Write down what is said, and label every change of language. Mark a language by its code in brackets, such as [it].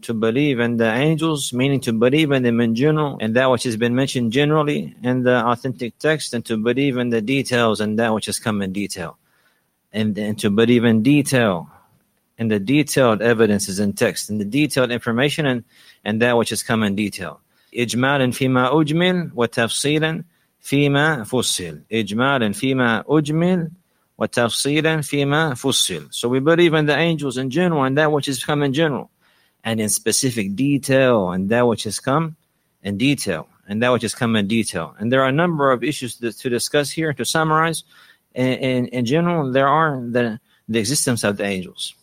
[en] To believe in the angels, meaning to believe in them in general, and that which has been mentioned generally in the authentic text, and to believe in the details and that which has come in detail. but even detail, and the detailed evidence is in text, and the detailed information and that which has come in detail. [ar] إجمالاً فيما أجمل وتفصيلاً فيما فصل. إجمالاً فيما أجمل وتفصيلاً فيما فصل. [en] So we believe in the angels in general and that which has come in general, and in specific detail and that which has come in detail. And that which has come in detail. And there are a number of issues to discuss here. To summarize, in general, there are the existence of the angels.